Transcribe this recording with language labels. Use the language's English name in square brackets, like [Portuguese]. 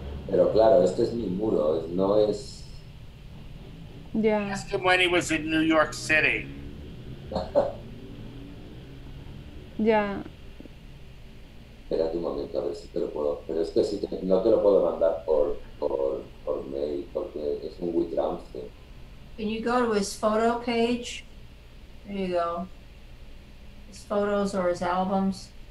[Spanish] Pero claro, esto es mi muro, no es... Ya. [English] Ask him when he was in New York City. [Spanish] Ya. Espérate un momento, a ver si te lo puedo... Pero es que si te, no te lo puedo mandar por mail, porque es un WeTransfer. [English] Can you go to his photo page? There you go. His photos or his albums.